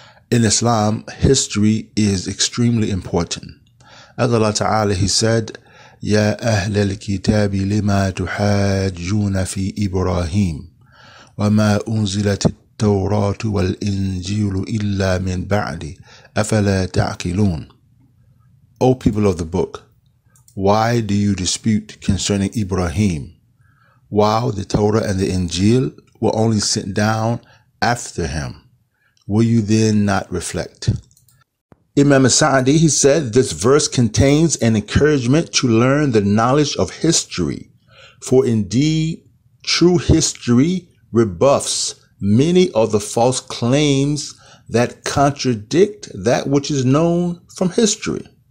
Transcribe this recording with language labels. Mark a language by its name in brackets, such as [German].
[English] In Islam, history is extremely important. As Allah Ta'ala, He said, [Arabic] Ya أهل الكتاب لما تحاجون في إبراهيم وما أنزلت التوراة والإنجيل إلا من بعد أفلا تعقلون. [English] O people of the book, why do you dispute concerning Ibrahim, while the Torah and the Injil were only sent down after him? Will you then not reflect? Imam Sa'di, he said, this verse contains an encouragement to learn the knowledge of history, for indeed true history rebuffs many of the false claims that contradict that which is known from history.